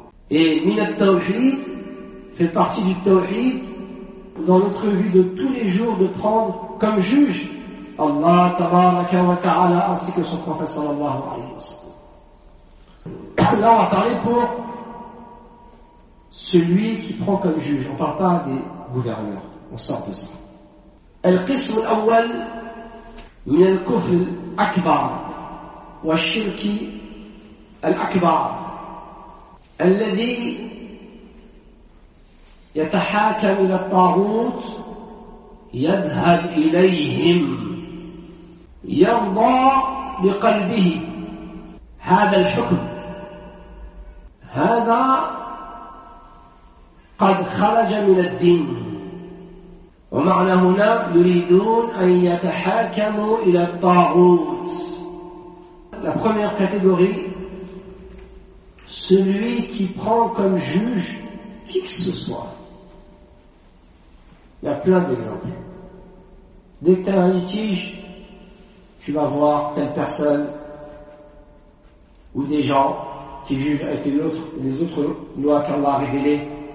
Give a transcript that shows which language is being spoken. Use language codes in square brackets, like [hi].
[fr] Et minat tawhid fait partie du tawhid dans notre vie de tous les jours, de prendre comme juge Allah tabaraka wa ta'ala ainsi que son prophète sallallahu alayhi wa sallam. Là on va parler pour celui qui prend comme juge, on ne parle pas des gouverneurs, on sort de ça. [ar] Al-qism al-awwal min al-kufr al-akbar والشرك الأكبر الذي يتحاكم إلى الطاغوت يذهب إليهم يرضى بقلبه هذا الحكم هذا قد خرج من الدين ومعنى هنا يريدون أن يتحاكموا إلى الطاغوت. [fr] La première catégorie, celui qui prend comme juge qui que ce soit. Il y a plein d'exemples. Dès que tu as un litige, tu vas voir telle personne ou des gens qui jugent avec les autres lois qu'Allah a révélées.